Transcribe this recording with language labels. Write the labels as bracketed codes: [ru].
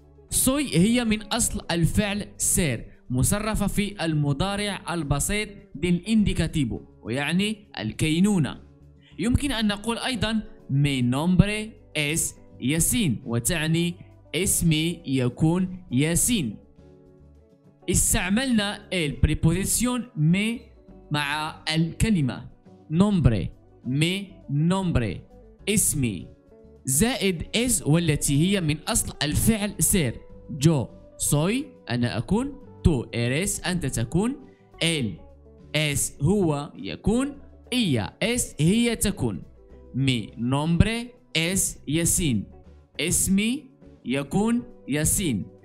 [ar] soy هي من أصل الفعل ser مصرفة في المضارع البسيط للإنديكاتيبو ويعني الكينونة. يمكن أن نقول أيضا [es] mi nombre es [ar] ياسين وتعني اسمي يكون ياسين. استعملنا [es] el preposición mi [ar] مع الكلمة nombre. [es] مي نومبري [ar] اسمي زائد اس والتي هي من اصل الفعل سير [es] جو سوي [ar] انا اكون [es] تو اريس [ar] انت تكون [es] ال اس [ar] هو يكون [es] ايا اس [ar] هي تكون [es] مي نومبري اس [ar] ياسين اسمي يكون ياسين.